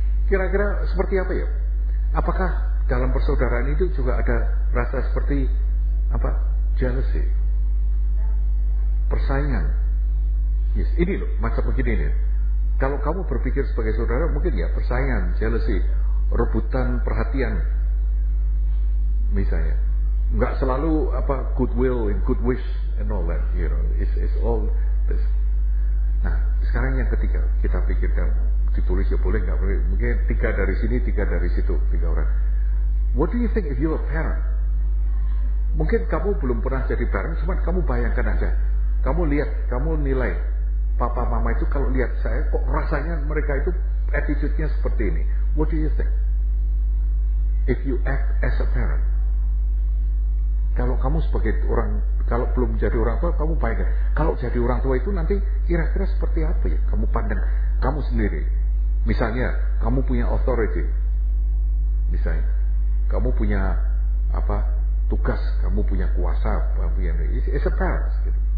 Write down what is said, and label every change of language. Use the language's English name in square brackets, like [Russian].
[Indonesian] Kira-kira seperti apa ya? Apakah dalam persaudaraan itu juga ada rasa seperti apa? Jealousy. Persaingan. Yes, ini loh macam begini nih. Kalau kamu berpikir sebagai saudara, mungkin ya persaingan, jealousy, rebutan perhatian. Misalnya, enggak selalu apa [English] goodwill and good wish and all that, you know, it's all this. [Indonesian] Nah, sekarang yang ketiga kita pikirkan, ditulis ya boleh, enggak boleh, mungkin tiga dari sini, tiga dari situ, tiga orang. [English] What do you think if you're a parent? [Indonesian] Mungkin kamu belum pernah jadi parent, cuma kamu bayangkan aja, kamu lihat, kamu nilai papa mama itu kalau lihat saya, kok rasanya mereka itu attitude-nya seperti ini. [English] What do you think? If you act as a parent, [Indonesian] kalau kamu sebagai orang, kalau belum jadi orang tua, kamu baik gak? Kalau jadi orang tua itu nanti kira-kira seperti apa ya? Kamu pandang kamu sendiri. Misalnya, kamu punya authority. Misalnya, kamu punya apa tugas, kamu punya kuasa, kamu punya [English] it's a parents. [Indonesian] Gitu.